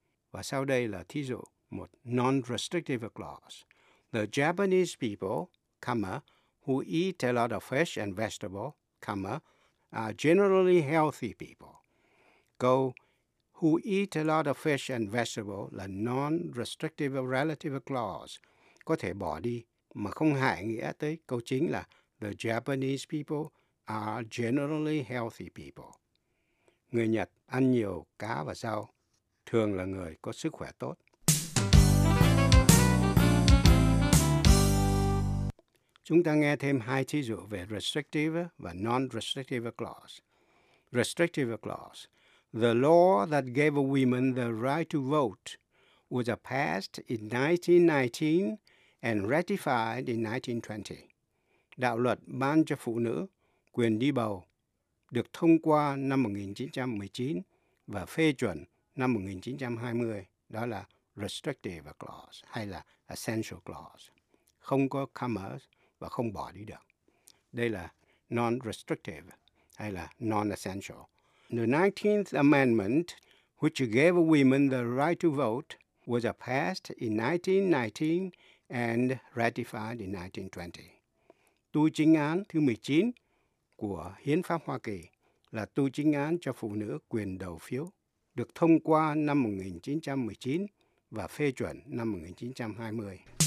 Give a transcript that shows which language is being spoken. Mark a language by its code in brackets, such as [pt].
[vi] Và sau đây là thí dụ một non-restrictive clause. [en] The Japanese people, comma, who eat a lot of fish and vegetable, comma, are generally healthy people. [vi] Câu [en] who eat a lot of fish and vegetable [vi] là non-restrictive relative clause, có thể bỏ đi mà không hại nghĩa tới câu chính là [en] the Japanese people are generally healthy people. [vi] Người Nhật ăn nhiều cá và rau, thường là người có sức khỏe tốt. Chúng ta nghe thêm hai thí dụ về restrictive và non-restrictive clause. [en] Restrictive clause: the law that gave women the right to vote was passed in 1919 and ratified in 1920. [vi] Đạo luật ban cho phụ nữ quyền đi bầu được thông qua năm 1919 và phê chuẩn năm 1920, đó là restrictive clause hay là essential clause. Không có commas và không bỏ đi được. Đây là non-restrictive hay là non-essential. [en] The 19th Amendment, which gave women the right to vote, was passed in 1919 and ratified in 1920. [vi] Tu chính án thứ 19 của Hiến pháp Hoa Kỳ là tu chính án cho phụ nữ quyền đầu phiếu, được thông qua năm 1919 và phê chuẩn năm 1920.